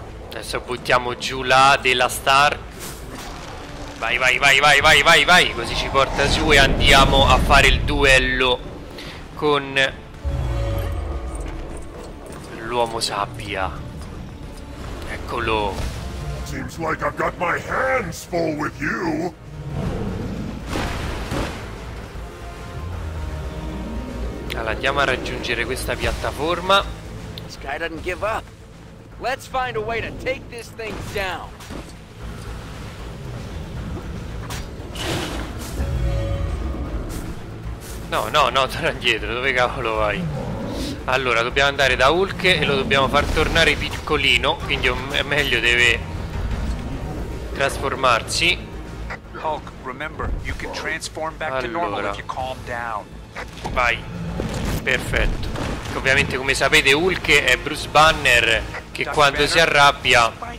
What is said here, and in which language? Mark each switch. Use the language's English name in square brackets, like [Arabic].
[Italian] Adesso buttiamo giù la della Stark. Vai, così ci porta su e andiamo a fare il duello con l'uomo sabbia. Eccolo. [English] Seems like I've got my hands full with you. [Italian] Allora, andiamo a raggiungere questa piattaforma. [English] This guy doesn't give up. Let's find a way to take this thing down. [Italian] No, torna indietro, dove cavolo vai? Allora, dobbiamo andare da Hulk e lo dobbiamo far tornare piccolino, quindi è meglio, deve trasformarsi. [English] Hulk, remember, you can transform back to normal if you calm down. [Italian] Vai. Perfetto. Ovviamente, come sapete, Hulk è Bruce Banner, che quando si arrabbia...